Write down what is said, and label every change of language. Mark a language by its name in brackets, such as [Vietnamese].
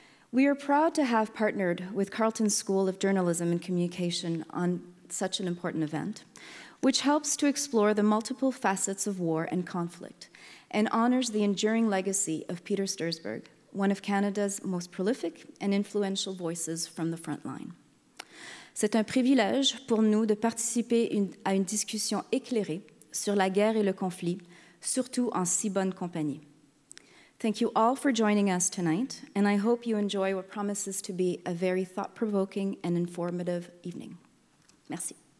[English] We are proud to have partnered with Carleton School of Journalism and Communication on such an important event, which helps to explore the multiple facets of war and conflict, and honors the enduring legacy of Peter Stursgberg, one of Canada's most prolific and influential voices from the front line. [French] C'est un privilège pour nous de participer à une discussion éclairée sur la guerre et le conflit, surtout en si bonne compagnie. [English] Thank you all for joining us tonight, and I hope you enjoy what promises to be a very thought-provoking and informative evening. [French] Merci.